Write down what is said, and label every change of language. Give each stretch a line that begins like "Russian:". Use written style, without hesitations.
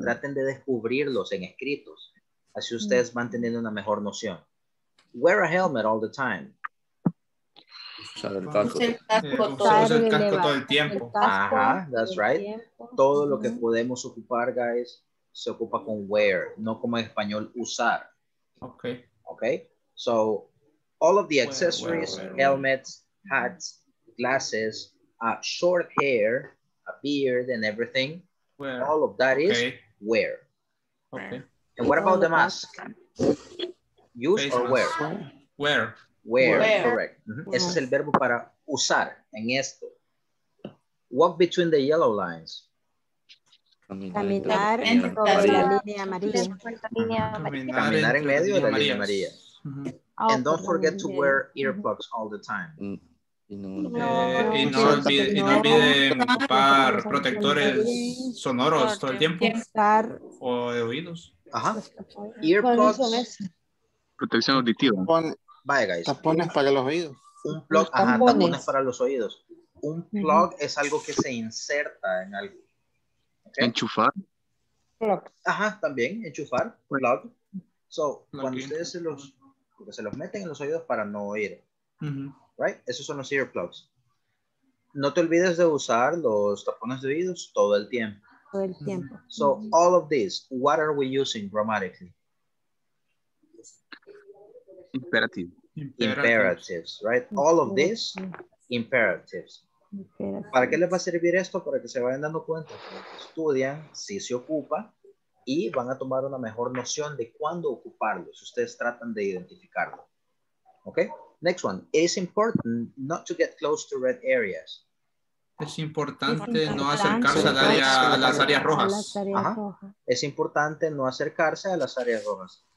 Spanish: Traten de descubrirlos en escritos. Así ustedes van teniendo una mejor noción.
English: Wear a helmet all the time.
Spanish: Usar el casco. Usar el casco todo el tiempo.
English: Ajá, that's right.
Spanish: Todo lo que podemos ocupar, guys, se ocupa con wear, no como en español, usar.
English: Okay. Okay? So, all of the accessories, helmets, hats, glasses, short hair, a beard and everything, all of that is wear. Okay. And what about the mask? Use or wear? Wear. Wear, correct. Mm-hmm.
Spanish: Ese es el verbo para usar en esto.
English: Walk between the yellow lines.
Spanish: Caminar en la línea amarilla. Caminar en medio de la línea amarilla. Mm-hmm.
English: And don't forget to wear earplugs all the time.
Spanish: Y no olviden ocupar protectores sonoros todo el tiempo. O de oídos. Ajá. Earplugs. Protección auditiva. Vaya, guys. Tapones para los oídos. Un plug, ajá, tapones para los oídos. Un plug es algo que se inserta en algo. Okay? Enchufar. Ajá, también, enchufar, plug. So, cuando ustedes se los meten en los oídos para no oír. Uh-huh. Right? Esos son los earplugs. No te olvides de usar los tapones de oídos todo el tiempo. Todo el tiempo.
English: So, all of this, what are we using grammatically? Imperatives, right? All of this, imperatives.
Spanish: ¿Para qué les va a servir esto? Para que se vayan dando cuenta. Estudian, si se ocupa, y van a tomar una mejor noción de cuándo ocuparlo, si ustedes tratan de identificarlo.
English: Okay? Next one. It is important not to get close to red areas.
Spanish: Es importante no acercarse a las áreas rojas. Ajá. Es importante no acercarse a las áreas rojas.